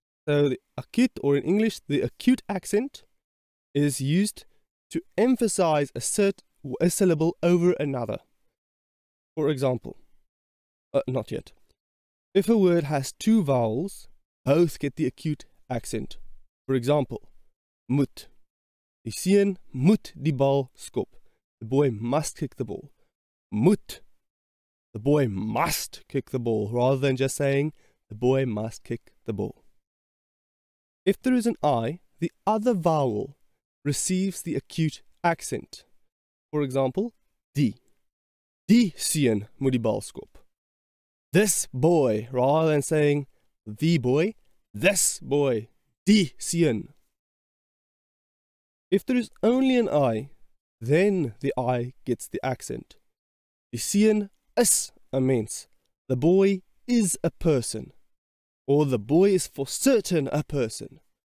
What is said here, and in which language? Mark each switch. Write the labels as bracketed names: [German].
[English] So the akuut, or in English, the acute accent, is used to emphasize a syllable over another. For example, not yet. If a word has two vowels, both get the acute accent. For example, moet. [Afrikaans] Die seun moet die bal skop. [English] The boy must kick the ball. Moet. The boy must kick the ball, rather than just saying, the boy must kick the ball. If there is an I, the other vowel receives the acute accent. For example, die. [Afrikaans] Die seun moet die bal skop. [English] This boy, rather than saying, the boy, this boy, [Afrikaans] die seun. [English] If there is only an I, then the I gets the accent. [Afrikaans] Die seun is. [English] Means the boy is a person, or the boy is for certain a person.